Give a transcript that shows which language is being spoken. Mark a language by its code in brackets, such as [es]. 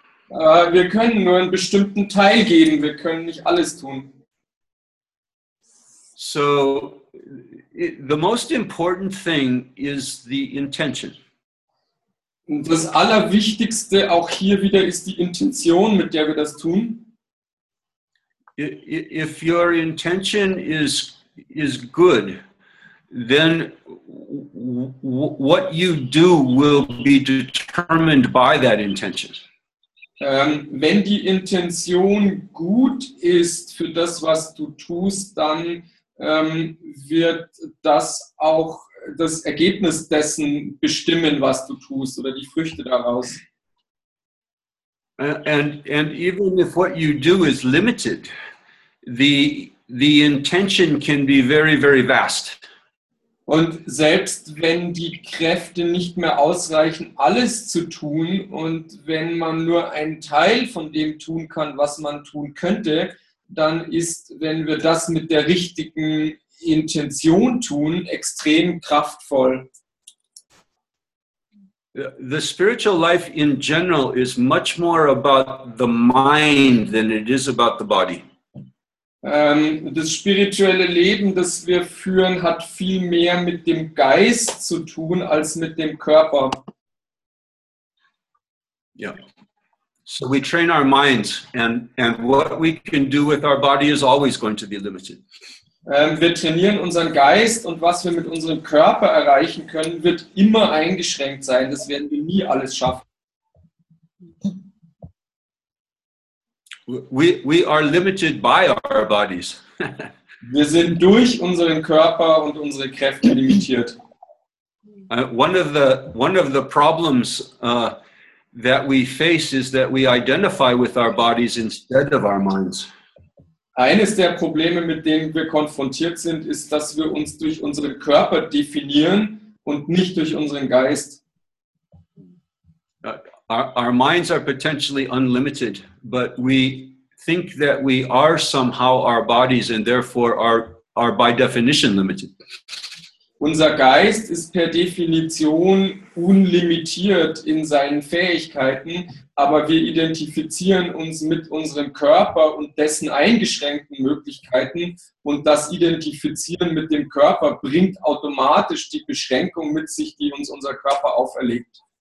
[de] Wir können nur einen bestimmten Teil geben, wir können nicht alles tun. [en] So, the most important thing is the intention. [de] Das Allerwichtigste auch hier wieder ist die Intention, mit der wir das tun. [en] If your intention is good, then what you do will be determined by that intention. [de] Wenn die Intention gut ist für das, was du tust, dann wird das auch das Ergebnis dessen bestimmen, was du tust, oder die Früchte daraus. [en] And even if what you do is limited, the intention can be very, very vast. [de] Und selbst wenn die Kräfte nicht mehr ausreichen, alles zu tun, und wenn man nur einen Teil von dem tun kann, was man tun könnte, dann ist, wenn wir das mit der richtigen Intention tun, extrem kraftvoll. [en] The spiritual life in general is much more about the mind than it is about the body. [de] Das spirituelle Leben, das wir führen, hat viel mehr mit dem Geist zu tun als mit dem Körper. [en] Yeah. So we train our minds, and what we can do with our body is always going to be limited. [de] Wir trainieren unseren Geist und was wir mit unserem Körper erreichen können, wird immer eingeschränkt sein. Das werden wir nie alles schaffen. [en] We are limited by our bodies. [de] Wir sind durch unseren Körper und unsere Kräfte limitiert. [en] One of the problems that we face is that we identify with our bodies instead of our minds. [de] Eines der Probleme, mit denen wir konfrontiert sind, ist, dass wir uns durch unseren Körper definieren und nicht durch unseren Geist. [en] Our minds are potentially unlimited, but we think that we are somehow our bodies and therefore are by definition limited. [de] Unser Geist ist per Definition unlimitiert in seinen Fähigkeiten, aber wir identifizieren uns mit unserem Körper und dessen eingeschränkten Möglichkeiten, und das Identifizieren mit dem Körper bringt automatisch die Beschränkung mit sich, die uns unser Körper auferlegt.